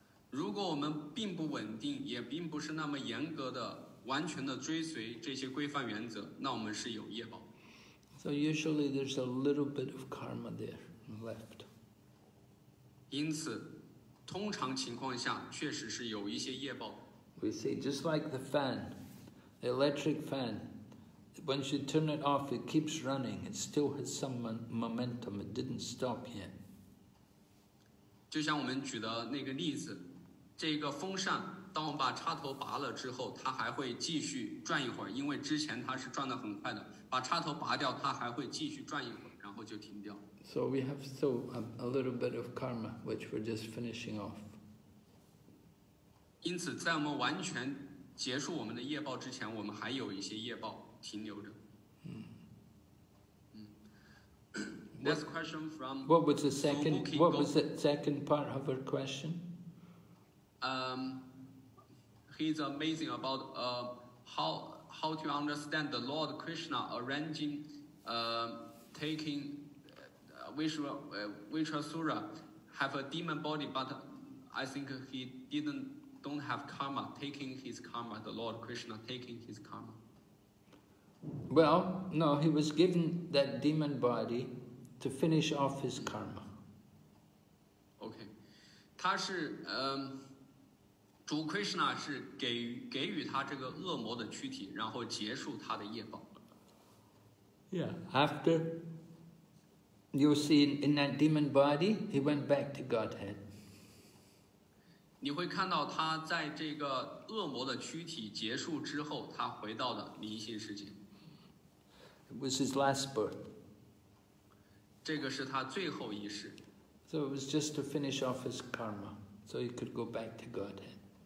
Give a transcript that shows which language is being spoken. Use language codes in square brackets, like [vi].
[zh] 如果我们并不稳定，也并不是那么严格的。完全的追随这些规范原则，那我们是有业报。 [en] So usually there's a little bit of karma there left. [zh] 因此，通常情况下确实是有一些业报。 [en] We see just like the fan, the electric fan. Once you turn it off, it keeps running. It still has some momentum. It didn't stop yet. [zh] 就像我们举的那个例子，这个风扇。当我们把插头拔了之后，它还会继续转一会儿，因为之前它是转得很快的。把插头拔掉，它还会继续转一会儿，然后后就停掉。 [en] So we have still a little bit of karma, which we're just finishing off. [zh] 因此，在我们完全结束我们的业报之前，我们还有一些业报停留着。 [en] Next question from What was the second? What was the second part of her question? He's amazing about how to understand the Lord Krishna arranging, taking, Vishwasura have a demon body, but I think he don't have karma, taking his karma, the Lord Krishna taking his karma. Well, no, he was given that demon body to finish off his karma. [zh] Okay. 他是主 Krishna 是给予他这个恶魔的躯体，然后结束他的业报。 [en] Yeah, after you see in that demon body, he went back to Godhead. [zh] 你会看到他在这个恶魔的躯体结束之后，他回到了灵性世界。 [en] It was his last birth. [zh] 这个是他最后一世。 [en] So it was just to finish off his karma, so he could go back to Godhead.